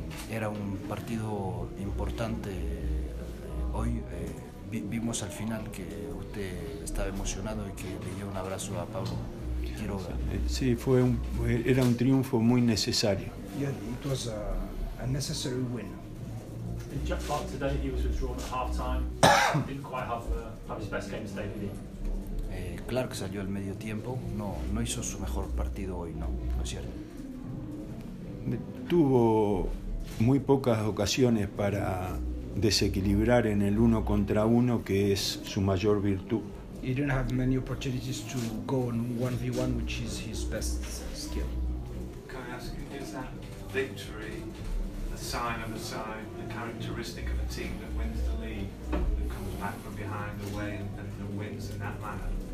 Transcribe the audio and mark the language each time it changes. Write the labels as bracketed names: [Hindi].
[Spanish] Era un partido importante hoy. Vimos al final que usted estaba emocionado y que le dio un abrazo a Pablo Quiroga. Sí, era un triunfo muy necesario. [English] Yeah, it was a necessary win. In Jack Clark today, he was withdrawn at halftime. Didn't quite have his best game today, did he? [Spanish] Clark salió al medio tiempo. No hizo su mejor partido hoy, ¿no es cierto? Tuvo muy pocas ocasiones para desequilibrar en el uno contra uno, que es su mayor virtud. [English] He didn't have many opportunities to go on 1v1, which is his best skill. Can I ask you, is that victory a sign of a side, the characteristic of a team that wins the league, that comes back from behind away and wins in that manner?